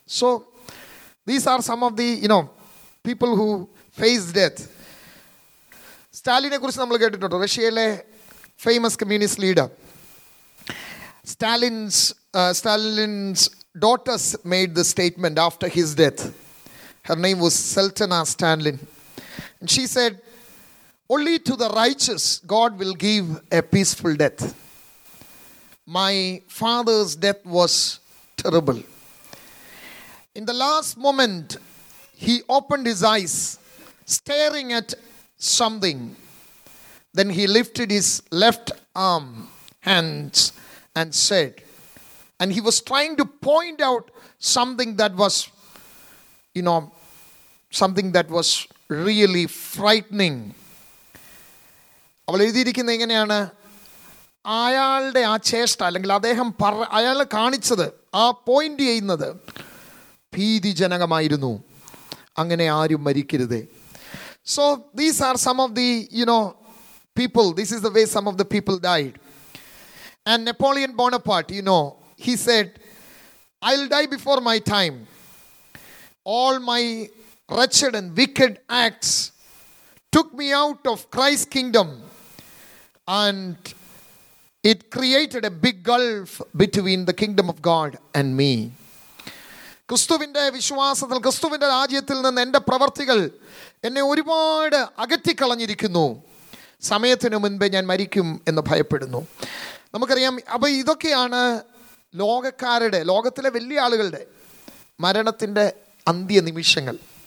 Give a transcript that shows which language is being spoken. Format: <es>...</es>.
<en>So these are some of the you know people who face death.</en> <ml>സ്റ്റാലിനെ കുറിച്ച് നമ്മൾ കേട്ടിട്ടുണ്ട്, റഷ്യയിലെ</ml> <en>Famous communist leader. Stalin's daughters made the statement after his death. Her name was Svetlana Stalin. And she said, only to the righteous God will give a peaceful death. My father's death was terrible. In the last moment, he opened his eyes, staring at something. Then he lifted his left arm, hands, and said, and he was trying to point out something that was, you know, something that was really frightening.</en> <ml>അവൾ എഴുതിയിരിക്കുന്നത് എങ്ങനെയാണ്, അയാളുടെ ആ ചേഷ്ട അല്ലെങ്കിൽ അദ്ദേഹം അയാളെ കാണിച്ചത്, ആ പോയിന്റ് ചെയ്യുന്നത് ഭീതിജനകമായിരുന്നു. അങ്ങനെ ആരും മരിക്കരുതേ.</ml> <en>So these are some of the you know people, this is the way some of the people died. And Napoleon Bonaparte, you know, he said, I will die before my time. all my wretched and wicked acts took me out of Christ's kingdom, and it created a big gulf between the kingdom of God and me.</en> <ml>ക്രിസ്തുവിൻ്റെ വിശ്വാസത്തിൽ ക്രിസ്തുവിൻ്റെ രാജ്യത്തിൽ നിന്ന് എൻ്റെ പ്രവൃത്തികൾ എന്നെ ഒരുപാട് അകറ്റിക്കളഞ്ഞിരിക്കുന്നു. സമയത്തിന് മുൻപേ ഞാൻ മരിക്കും എന്ന് ഭയപ്പെടുന്നു. നമുക്കറിയാം, അപ്പോൾ ഇതൊക്കെയാണ് ലോകക്കാരുടെ, ലോകത്തിലെ വലിയ ആളുകളുടെ മരണത്തിൻ്റെ അന്ത്യനിമിഷങ്ങൾ.</ml>